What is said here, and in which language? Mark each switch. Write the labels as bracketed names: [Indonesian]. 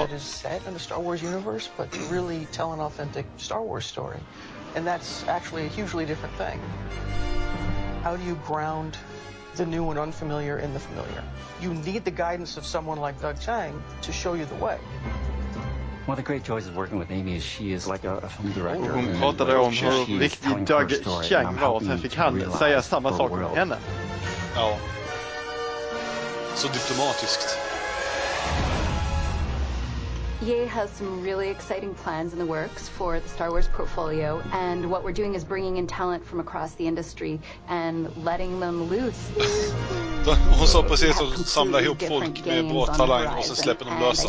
[English] that is set in the Star Wars universe, but to really tell an authentic Star Wars story. And that's actually a hugely different thing. How do you ground the new and unfamiliar in the familiar? You need the guidance of someone like Doug Chang to show you the way. One of the great joys of working with Amy is she is like a film director. [Swedish] Hon pratade om hur viktig Doug Chang var och sen fick han säga samma sak om henne. Ja. Så diplomatiskt. [English] EA has some really exciting plans in the works for the Star Wars portfolio, and what we're doing is bringing in talent from across the industry and letting them loose. [Swedish] Hon sa precis att samla ihop folk med bra talang och sen släpper dem lösa.